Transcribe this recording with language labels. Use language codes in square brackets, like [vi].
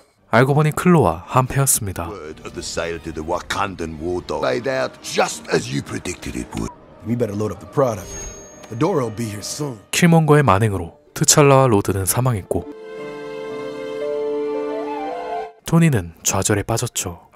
[ko] 알고 보니 클로와 한패였습니다. [en] Word of the sale to the Wakandan war dog played out just as you predicted it would. We better load up the product. The door will be here soon. [ko] 킬몽거의 만행으로 트찰라와 로드는 사망했고 토니는 좌절에 빠졌죠.